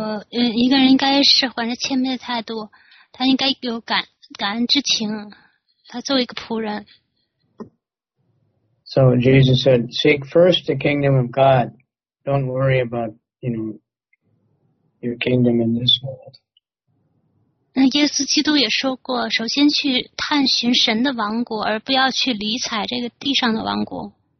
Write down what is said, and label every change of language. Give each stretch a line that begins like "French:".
Chinese: 一个人应该是怀着谦卑的态度，他应该有感恩之情，他作为一个仆人。
English: So Jesus said, "Seek first the kingdom of God. Don't worry about, your kingdom in this world."
Chinese: 那耶稣基督也说过，首先去。探寻神的王国，而不要去理睬这个地上的王国。